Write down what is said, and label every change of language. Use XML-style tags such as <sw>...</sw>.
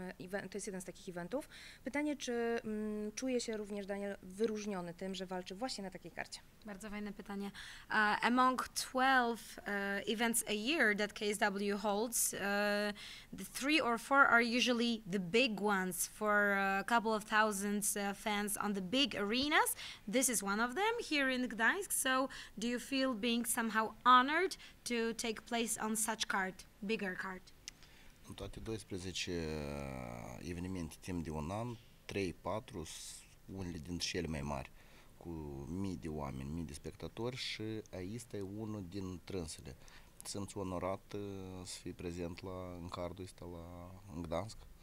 <pl>To jest jeden z takich eventów. Pytanie, czy czuje się również Daniel wyróżniony tym, że walczy właśnie na takiej karcie? Bardzo fajne pytanie.</pl> <en>Among 12 events a year that KSW holds, the 3 or 4 are usually the big ones for a couple of thousands fans on the big arenas. This is one of them here in Gdańsk. So do you feel being somehow honored to take place on such card, bigger card?</en> <ro>În toate 12 evenimente timp de un an, 3-4 unele dintre cele mai mari, cu mii de oameni, mii de spectatori, și asta e unul din trânsele. Sunt onorat să fii prezent la în cardul ăsta la Gdansk.</ro>